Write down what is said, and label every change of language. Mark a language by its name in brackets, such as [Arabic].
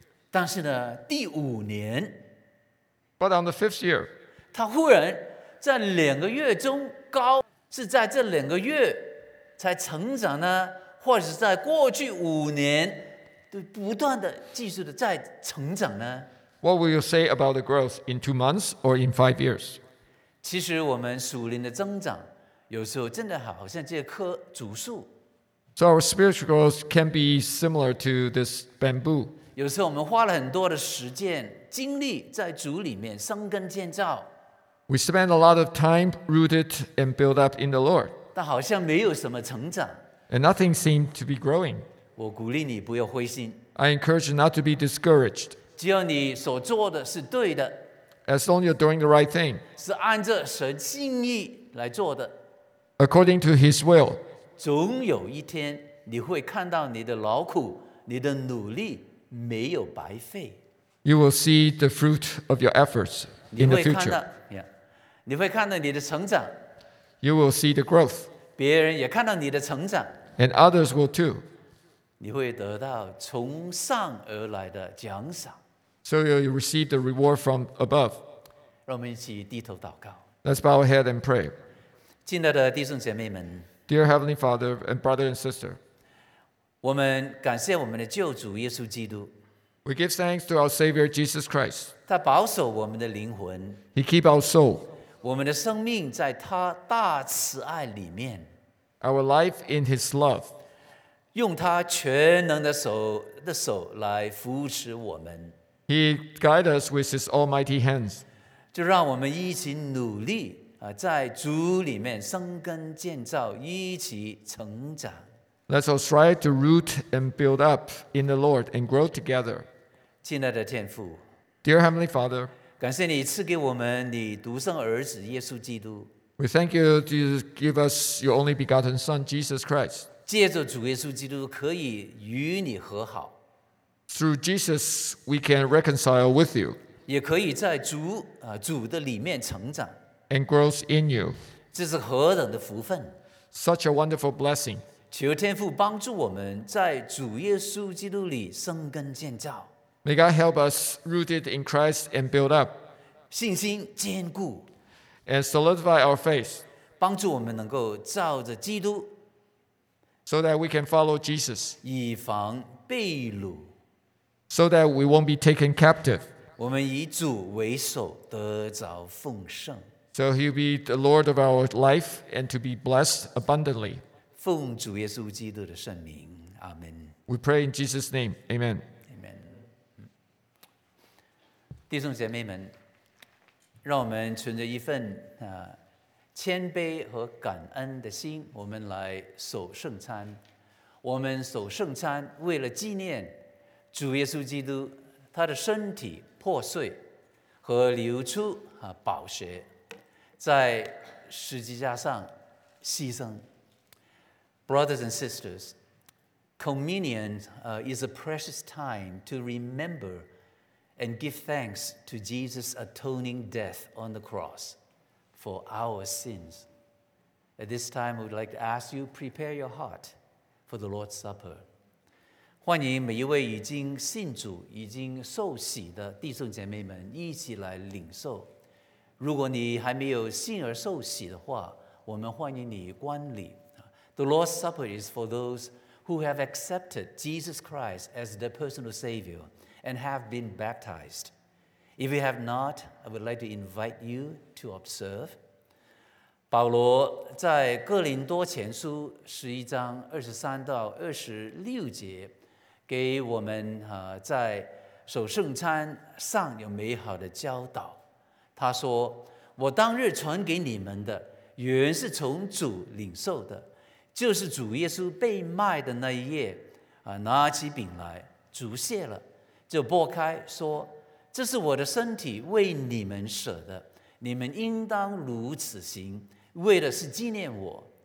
[Chinese] 但是呢，第五年。 [English] But on the fifth year. [Chinese] 它忽然在两个月中高，是在这两个月才成长呢，或者是在过去五年都不断的继续的在成长呢？ [English] What will you say about the growth in 2 months or in 5 years? [Chinese] 其实我们属灵的增长，有时候真的好像这棵竹树。 [English] So our spiritual growth can be similar to this bamboo. [Chinese] 有时候我们花了很多的时间精力在主里面生根建造。 [English] We spend a lot of time rooted and built up in the Lord. [Chinese] 但好像没有什么成长。 [English] And nothing seemed to be growing. [Chinese] 我鼓励你不要灰心。 [English] I encourage you not to be discouraged. [Chinese] 只要你所做的是对的。 [English] As long as you're doing the right thing. [Chinese] 是按着神心意来做的。 [English] According to His will. [Chinese] 总有一天你会看到你的劳苦你的努力没有白费。 [English] You will see the fruit of your efforts in the future. [Chinese] 你会看到你的成长。 [English] You will see the growth. [Chinese] 别人也看到你的成长。 [English] And others will too. [Chinese] 你会得到从上而来的奖赏。 [English] So you'll receive the reward from above. [Chinese] 让我们一起低头祷告。 [English] Let's bow our head and pray. [Chinese] 亲爱的弟兄姐妹们， [English] Dear Heavenly Father and brother and sister, [Chinese] 我们感谢我们的救主耶稣基督。 [English] We give thanks to our Savior Jesus Christ. [Chinese] 他保守我们的灵魂。 [English] He keep our soul. [Chinese] 我们的生命在他大慈爱里面。 [English] Our life in His love. [Chinese] 用他全能的手来扶持我们。 [English] He guide us with His almighty hands. [Chinese] 就让我们一起努力。在主里面生根建造，一起成长。 [English] Let's all strive to root and build up in the Lord and grow together. [Chinese] 亲爱的天父 [English] ，Dear Heavenly Father， [Chinese] 感谢你赐给我们你独生儿子耶稣基督。 [English] We thank you to give us your only begotten Son Jesus Christ. [Chinese] 借着主耶稣基督可以与你和好。 [English] Through Jesus, we can reconcile with you. [Chinese] 也可以在主的里面成长。 [English] And grows in you. [Chinese] 这是何等的福分。 [English] Such a wonderful blessing. [Chinese] 求天父帮助我们在主耶稣基督里生根建造。 [English] May God help us rooted in Christ and build up. [Chinese] 信心坚固。 [English] And solidify our faith. [Chinese] 帮助我们能够照着基督。 [English] So that we can follow Jesus. [Chinese] 以防被掳。 [English] So that we won't be taken captive. [Chinese] 我们以主为首得着丰盛。 [English] So he'll be the Lord of our life and to be blessed abundantly. [Chinese] 奉主耶稣基督的圣名，阿门。 [English] We pray in Jesus' name. Amen. Amen. [Chinese] 弟兄姐妹们，让我们存着一份谦卑和感恩的心，我们来守圣餐。我们守圣餐，为了纪念主耶稣基督，他的身体破碎和流出宝血。在十字架上牺牲。 [English] Brothers and sisters, communion is a precious time to remember and give thanks to Jesus' atoning death on the cross for our sins. At this time, we would like to ask you, prepare your heart for the Lord's Supper. [Chinese] 欢迎每一位已经信主、已经受洗的弟兄姐妹们一起来领受。如果你还没有信而受洗的话，我们欢迎你观礼。 [English] The Lord's Supper is for those who have accepted Jesus Christ as their personal Savior and have been baptized. If you have not, I would like to invite you to observe. [Chinese] 保罗在哥林多前书11:23-26给我们在守圣餐上有美好的教导。他说，我当日传给你们的原是从主领受的，就是主耶稣被卖的那一夜，拿起饼来，主谢了，就擘开说，这是我的身体为你们舍的，你们应当如此行，为的是纪念我。